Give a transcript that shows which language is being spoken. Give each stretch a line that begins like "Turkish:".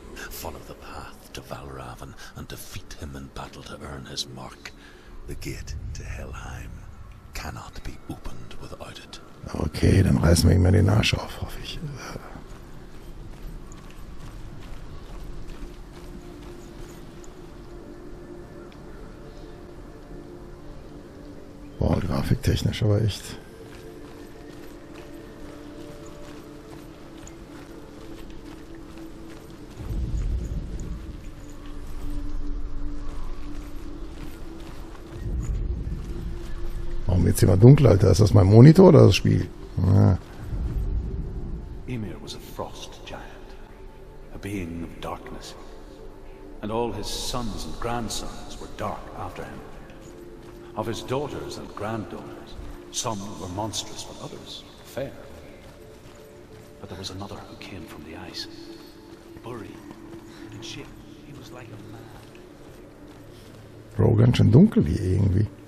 English: Follow the path to Valravn and defeat him in battle to earn his mark. The gate to Helheim cannot be opened without it.
German: Okay, dann reißen wir ihm mal den Arsch auf, hoffe ich. Boah, grafiktechnisch aber echt. Jetzt immer dunkel, Alter. Ist das mein Monitor oder das Spiel? Ja.
English: Ymir was a frost giant, a being of darkness, and all his sons and grandsons were dark after him. Of his daughters and granddaughters, some were monstrous, but others fair. But there was another who came from the ice, buried in shape. He was like a man.
German: Bro, ganz schön dunkel hier irgendwie.